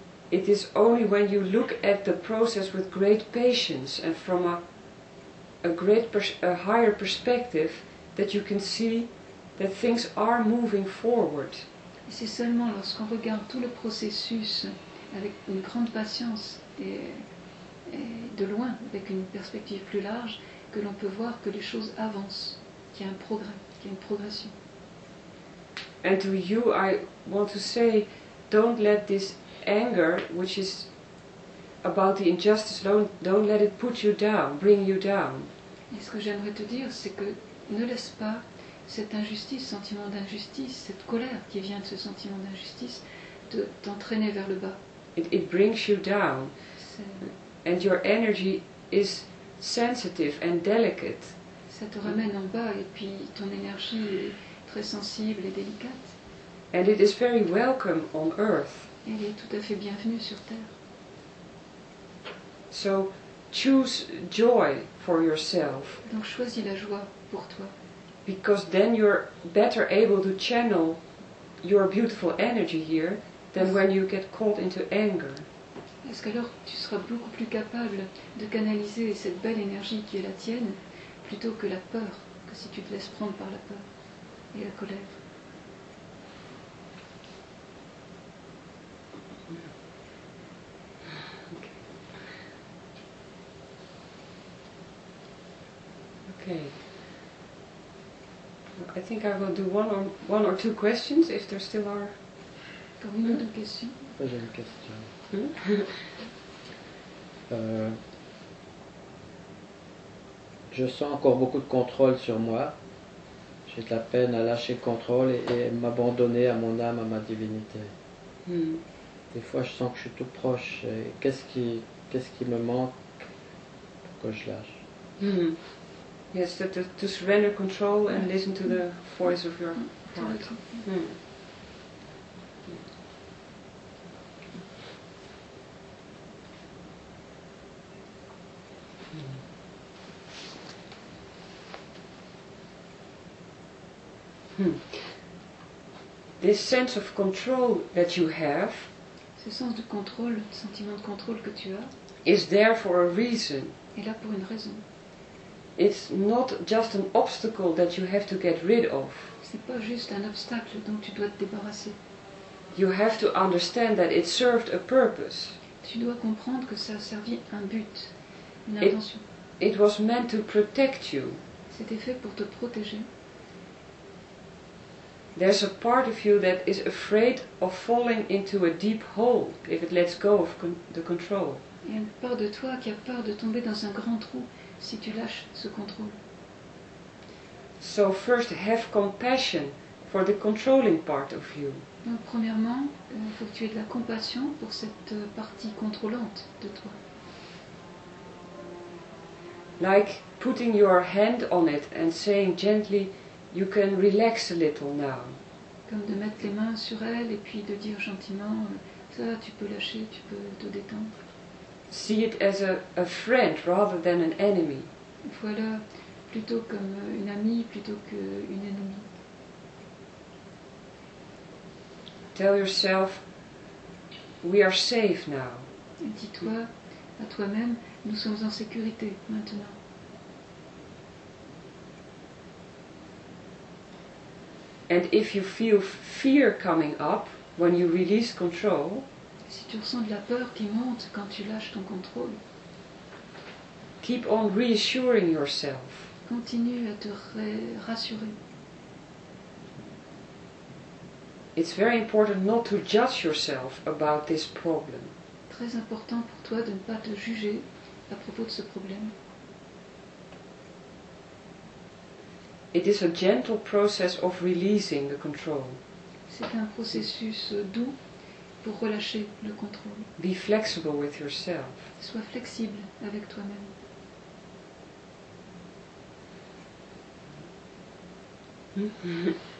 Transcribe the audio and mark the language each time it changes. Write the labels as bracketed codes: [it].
[en] It is only when you look at the process with great patience and from a higher perspective that you can see that things are moving forward. [fr] Et c'est seulement lorsqu'on regarde tout le processus avec une grande patience et de loin, avec une perspective plus large, que l'on peut voir que les choses avancent, qu'il y a un progrès, qu'il y a une progression. [en] And to you, I want to say, don't let this anger, which is about the injustice, don't let it put you down, bring you down. [fr] Et ce que j'aimerais te dire, c'est que ne laisse pas cette injustice, sentiment d'injustice, cette colère qui vient de ce sentiment d'injustice, de t'entraîner vers le bas. [en] It brings you down. And your energy is sensitive and delicate. [fr] Ça te ramène en bas et puis ton énergie est très sensible et délicate. [en] And it is very welcome on earth. [fr] Elle est tout à fait bienvenue sur Terre. [en] So, choose joy for yourself. [fr] Donc choisis la joie pour toi. [en] Because then you're better able to channel your beautiful energy here than when you get caught into anger. [fr] Parce qu'alors tu seras beaucoup plus capable de canaliser cette belle énergie qui est la tienne plutôt que la peur, que si tu te laisses prendre par la peur et la colère. [en] Okay. Okay. I think I will do one or two questions if there still are. [fr] Quand une ou deux questions. J'ai une question. Je sens encore beaucoup de contrôle sur moi. J'ai de la peine à lâcher le contrôle et m'abandonner à mon âme, à ma divinité. Des fois, je sens que je suis tout proche. Et qu'est-ce qui me manque pour que je lâche? [en] Yes, to surrender control and listen to the voice of your heart. This sense of control that you have, [fr] ce sens de contrôle, le sentiment de contrôle que tu as, [en] is there for a reason. [fr] Est là pour une raison. [en] It's not just an obstacle that you have to get rid of. [fr] C'est pas juste un obstacle dont tu dois te débarrasser. [en] You have to understand that it served a purpose. [fr] Tu dois comprendre que ça a servi un but, une intention. [en] It was meant to protect you. [fr] C'était fait pour te protéger. [en] There's a part of you that is afraid of falling into a deep hole if it lets go of the control. [fr] Il y a une part de toi qui a peur de tomber dans un grand trou si tu lâches ce contrôle. [en] So first, have compassion for the controlling part of you. [fr] Donc premièrement, il faut que tu aies de la compassion pour cette partie contrôlante de toi. [en] Like putting your hand on it and saying gently, you can relax a little now. [fr] Comme de mettre les mains sur elle et puis de dire gentiment, ça, tu peux lâcher, tu peux te détendre. [en] See it as a friend rather than an enemy. [fr] Voilà, plutôt comme une amie plutôt qu'une ennemie. [en] Tell yourself, we are safe now. [fr] Dis-toi à toi-même, nous sommes en sécurité maintenant. [en] And if you feel fear coming up when you release control, [fr] si tu ressens de la peur qui monte quand tu lâches ton contrôle, [en] keep on reassuring yourself. [fr] Continue à te rassurer. [en] It's very important not to judge yourself about this problem. [fr] Très important pour toi de ne pas te juger à propos de ce problème. [en] It is a gentle process of releasing the control. [fr] C'est un processus doux pour relâcher le contrôle. [en] Be flexible with yourself. [fr] Sois flexible avec toi-même.